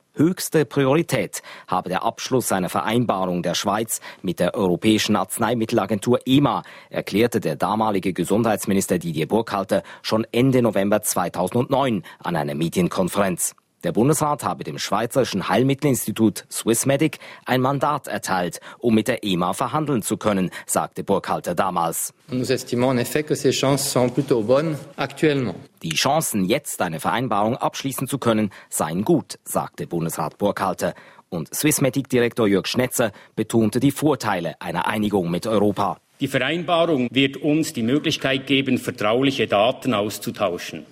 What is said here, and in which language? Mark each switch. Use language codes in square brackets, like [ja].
[de] Höchste Priorität habe der Abschluss einer Vereinbarung der Schweiz mit der Europäischen Arzneimittelagentur EMA, erklärte der damalige Gesundheitsminister Didier Burkhalter schon Ende November 2009 an einer Medienkonferenz. Der Bundesrat habe dem schweizerischen Heilmittelinstitut Swissmedic ein Mandat erteilt, um mit der EMA verhandeln zu können, sagte Burkhalter damals. [fr] Nous estimons en effet que ces chances sont plutôt bonnes actuellement. [de] Die Chancen, jetzt eine Vereinbarung abschließen zu können, seien gut, sagte Bundesrat Burkhalter. Und Swissmedic-Direktor Jörg Schnetzer betonte die Vorteile einer Einigung mit Europa. Die Vereinbarung wird uns die Möglichkeit geben, vertrauliche Daten auszutauschen.